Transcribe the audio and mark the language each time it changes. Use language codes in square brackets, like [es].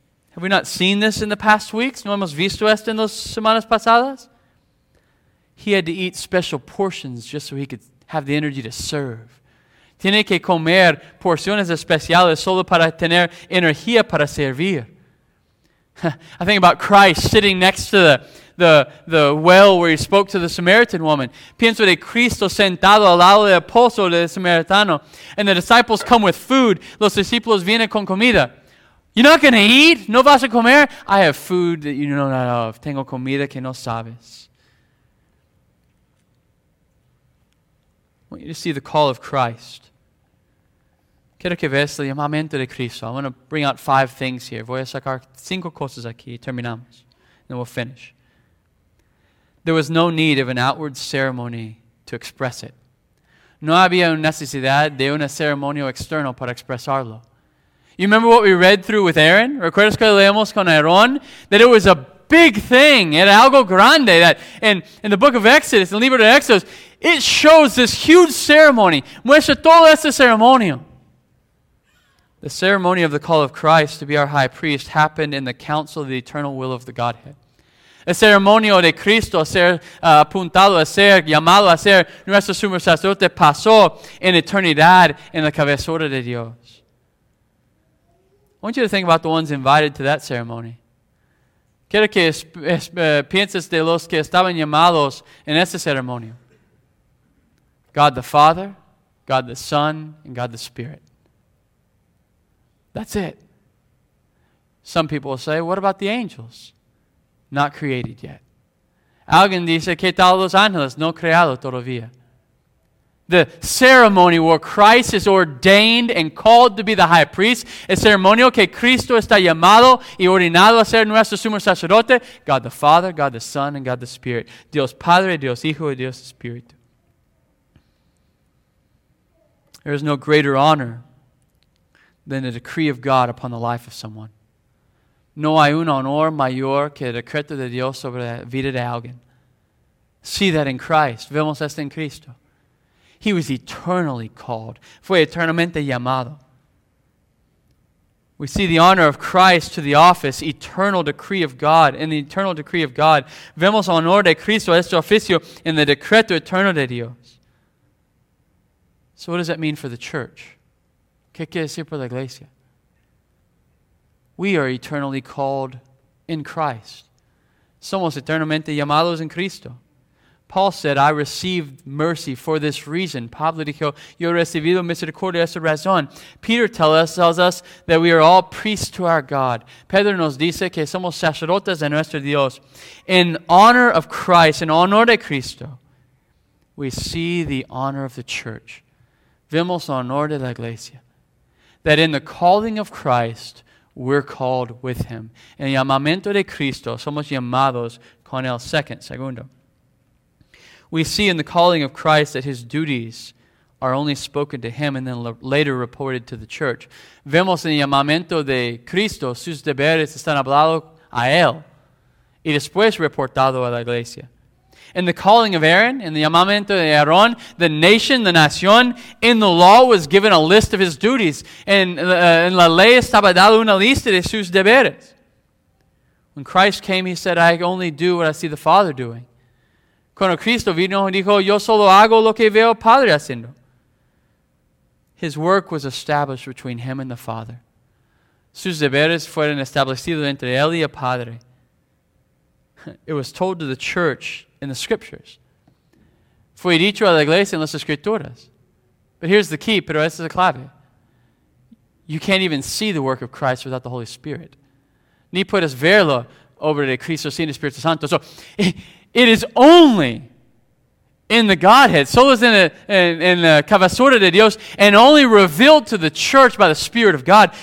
[en] Have we not seen this in the past weeks? [es] ¿No hemos visto esto en las semanas pasadas? [en] He had to eat special portions just so he could have the energy to serve. [es] Tiene que comer porciones especiales solo para tener energía para servir. [en] I think about Christ sitting next to the well where he spoke to the Samaritan woman. [es] Pienso de Cristo sentado al lado del pozo del Samaritano. [en] And the disciples come with food. [es] Los discípulos vienen con comida. [en] You're not going to eat? [es] ¿No vas a comer? [en] I have food that you know not of. [es] Tengo comida que no sabes. [en] I want you to see the call of Christ. [es] Quiero que veas el llamamiento de Cristo. [en] I want to bring out five things here. [es] Voy a sacar cinco cosas aquí. Terminamos. [en] Then we'll finish. There was no need of an outward ceremony to express it. [es] No había necesidad de una ceremonia externa para expresarlo. [en] You remember what we read through with Aaron? [es] ¿Recuerdas que leemos con Aarón? [en] That it was a big thing. [es] Era algo grande. [en] That in the book of Exodus, in the [es] libro de Exodus, [en] it shows this huge ceremony. [es] Muestra todo este ceremonio. [en] The ceremony of the call of Christ to be our high priest happened in the council of the eternal will of the Godhead. [es] El ceremonio de Cristo ser apuntado a ser llamado a ser nuestro sumo sacerdote pasó en eternidad en la cabezota de Dios. [en] I want you to think about the ones invited to that ceremony. [es] Quiero que pienses de los que estaban llamados en ese ceremonio. [en] God the Father, God the Son, and God the Spirit. That's it. Some people will say, what about the angels? Not created yet. [es] Alguien dice, ¿qué tal los ángeles? No creado todavía. [en] The ceremony where Christ is ordained and called to be the high priest, [es] el ceremonio que Cristo está llamado y ordenado a ser nuestro sumo sacerdote, [en] God the Father, God the Son, and God the Spirit. [es] Dios Padre, Dios Hijo, y Dios Espíritu. [en] There is no greater honor than the decree of God upon the life of someone. [es] No hay un honor mayor que el decreto de Dios sobre la vida de alguien. [en] See that in Christ. [es] Vemos esto en Cristo. [en] He was eternally called. [es] Fue eternamente llamado. [en] We see the honor of Christ to the office, eternal decree of God. In the eternal decree of God, [es] vemos honor de Cristo a este oficio en el decreto eterno de Dios. [en] So what does that mean for the church? [es] ¿Qué quiere decir por la iglesia? [en] We are eternally called in Christ. [es] Somos eternamente llamados en Cristo. [en] Paul said, I received mercy for this reason. [es] Pablo dijo, yo he recibido misericordia esta razón. [en] Peter tells us that we are all priests to our God. [es] Pedro nos dice que somos sacerdotes de nuestro Dios. [en] In honor of Christ, in [es] honor de Cristo, [en] we see the honor of the church. [es] Vemos honor de la iglesia. [en] That in the calling of Christ, we're called with him. [es] En el llamamiento de Cristo, somos llamados con él. Segundo. [en] We see in the calling of Christ that his duties are only spoken to him and then later reported to the church. [es] Vemos en el llamamiento de Cristo, sus deberes están hablados a él y después reportado a la iglesia. [en] In the calling of Aaron, in the [es] llamamiento de Aaron, [en] the nation, the nación, in the law was given a list of his duties. [es] En la ley estaba dado una lista de sus deberes. [en] When Christ came, he said, I only do what I see the Father doing. [es] Cuando Cristo vino, dijo, yo solo hago lo que veo Padre haciendo. [en] His work was established between him and the Father. [es] Sus deberes fueron establecidos entre él y el Padre. [en] It was told to the church in the scriptures. [es] Fue dicho a la iglesia en las escrituras. [en] But here's the key, [es] pero esta es la clave. [en] You can't even see the work of Christ without the Holy Spirit. [es] Ni puedes verlo obra de Cristo sin el Espíritu Santo. [en] So it is only in the Godhead, [es] solo es en la cabezura de Dios, [en] and only revealed to the church by the Spirit of God.